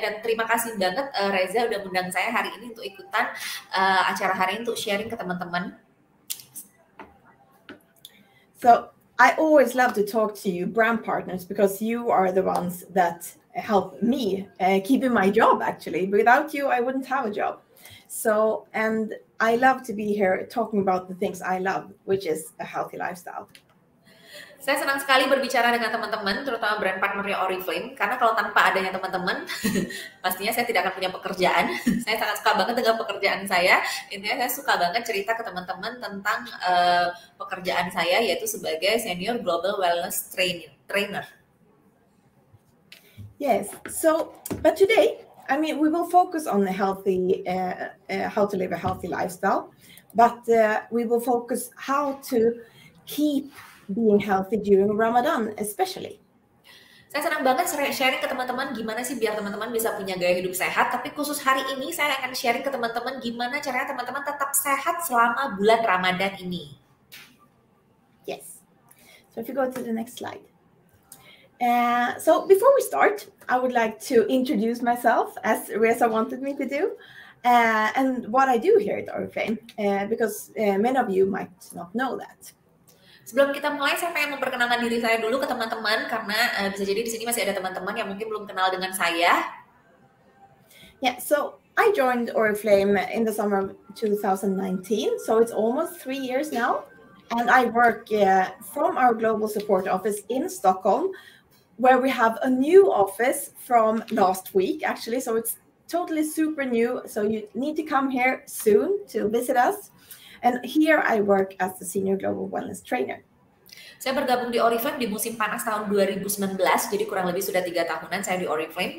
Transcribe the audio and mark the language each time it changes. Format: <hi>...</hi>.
<id>Dan terima kasih banget Reza udah undang saya hari ini untuk ikutan acara hari ini untuk sharing ke teman-teman.</id> <en>So, I always love to talk to you brand partners because you are the ones that help me keeping my job actually. Without you, I wouldn't have a job. So, and I love to be here talking about the things I love, which is a healthy lifestyle.</en> <id>Saya senang sekali berbicara dengan teman-teman, terutama brand partnernya Oriflame, karena kalau tanpa adanya teman-teman, pastinya saya tidak akan punya pekerjaan. Saya sangat suka banget dengan pekerjaan saya. Intinya saya suka banget cerita ke teman-teman tentang pekerjaan saya, yaitu sebagai senior global wellness trainer.</id> <en>Yes. So, but today, I mean, we will focus on the healthy, how to live a healthy lifestyle, but we will focus how to keep being healthy during Ramadan, especially.</en> <id>Saya senang banget sharing ke teman-teman gimana sih biar teman-teman bisa punya gaya hidup sehat. Tapi khusus hari ini saya akan sharing ke teman-teman gimana caranya teman-teman tetap sehat selama bulan Ramadan ini.</id> <en>Yes. So if you go to the next slide. So before we start, I would like to introduce myself as Reza wanted me to do, and what I do here at Oriflame, because many of you might not know that.</en> <id>Sebelum kita mulai, saya pengen memperkenalkan diri saya dulu ke teman-teman karena bisa jadi di sini masih ada teman-teman yang mungkin belum kenal dengan saya.</id> <en>Yeah, so I joined Oriflame in the summer of 2019, so it's almost 3 years now, and I work from our global support office in Stockholm, where we have a new office from last week, actually. So it's totally super new. So you need to come here soon to visit us. And here I work as the senior global wellness trainer.</en> <id>Saya bergabung di Oriflame di musim panas tahun 2019. Jadi kurang lebih sudah 3 tahunan saya di Oriflame.</id>